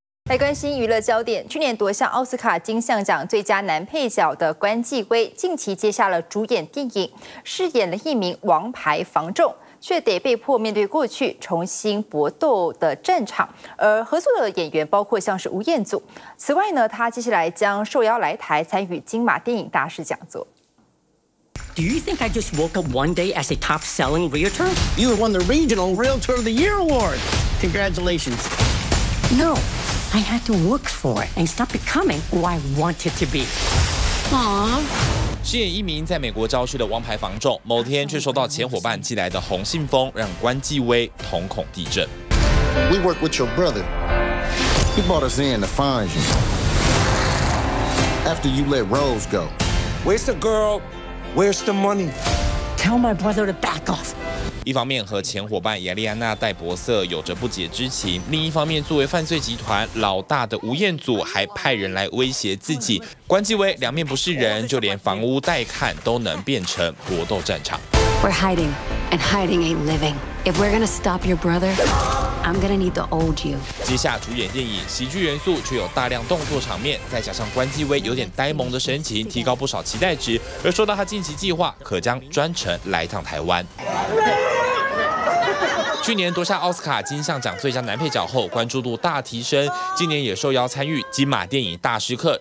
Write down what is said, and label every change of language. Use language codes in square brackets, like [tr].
[zh] 来关心娱乐焦点，去年夺下奥斯卡金像奖最佳男配角的关继威，近期接下了主演电影，饰演了一名王牌房仲。却得被迫面对过去重新搏斗的战场，而合作的演员包括像是吴彦祖。此外呢，他接下来将受邀来台参与金马电影大师讲座。 [en] Do you think I just woke up one day as a top-selling realtor? You have won the regional Realtor of the Year award. Congratulations. No, I had to work for it and stop becoming who I wanted to be. Aww. [zh] 饰演一名在美国招婿的王牌房仲，某天却收到前伙伴寄来的红信封，让关继威瞳孔地震。 [en] We work with your brother. He brought us in to find you. After you let Rose go. Where's the girl? Where's the money? Tell my brother to back off. [zh] 一方面和前伙伴亚利安娜戴博瑟有着不解之情，另一方面作为犯罪集团老大的吴彦祖还派人来威胁自己。关继威两面不是人，就连房屋带看都能变成搏斗战场。 [en] We're hiding, and hiding ain't living. If we're gonna stop your brother, I'm gonna need the old you. [zh] 接下主演电影，喜剧元素却有大量动作场面，再加上关继威有点呆萌的神情，提高不少期待值。而说到他近期计划，可将专程来一趟台湾。去年夺下奥斯卡金像奖最佳男配角后，关注度大提升，今年也受邀参与金马电影大师课。